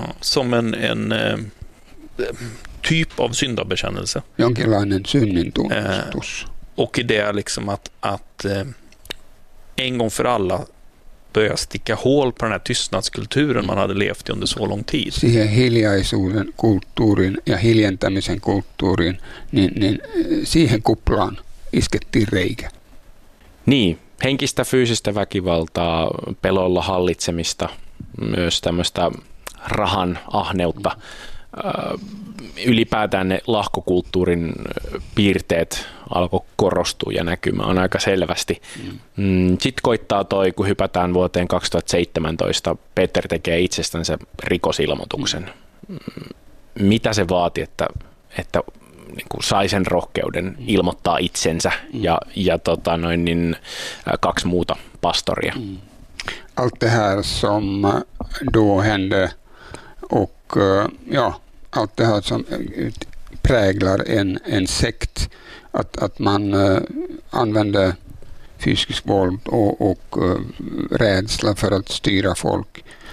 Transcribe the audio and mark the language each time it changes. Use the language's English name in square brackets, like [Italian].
[Swedish] Som en typ av syndabekännelse. [Finnish] Jonkinlainen synnintunnustus. [Swedish] Och i det liksom att en gång för alla börja sticka hål på den här tystnadskulturen man hade levt i under så lång tid. [Finnish] Siihen hiljaisuuden kulttuurin ja hiljentämisen kulttuurin, niin siihen kuplaan iskettiin reikä. Niin, henkistä fyysistä väkivaltaa, pelolla hallitsemista, myös tämmöistä rahan ahneutta. Ylipäätään ne lahkokulttuurin piirteet alkoi korostua ja näkymä on aika selvästi. Sitten koittaa toi, kun hypätään vuoteen 2017, Peter tekee itsestänsä rikosilmoituksen. Mitä se vaati, että niin kuin sai sen rohkeuden ilmoittaa itsensä ja niin kaksi muuta pastoria? [Swedish] Allt det här som då hände och ja, allt det här som präglar en sekt, att man använder fysisk våld och rädsla för att styra folk.